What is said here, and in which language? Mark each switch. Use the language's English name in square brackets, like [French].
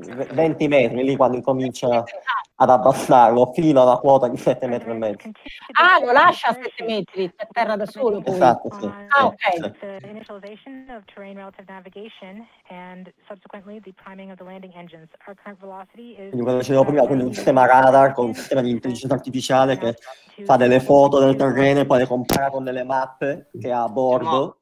[Italian] 20 metri lì quando incomincia ad abbassarlo fino alla quota di 7.5 metri. Ah, lo lascia a 7 metri a terra da solo. Poi. Esatto, sì. Ah, ok. [English] The initialization of terrain relative navigation and subsequently the priming of the landing engines. Our current velocity is. [Italian] Quindi quello che dicevo prima, quindi un sistema radar con un sistema di intelligenza artificiale che fa delle foto del terreno e poi le compara con delle mappe che ha a bordo.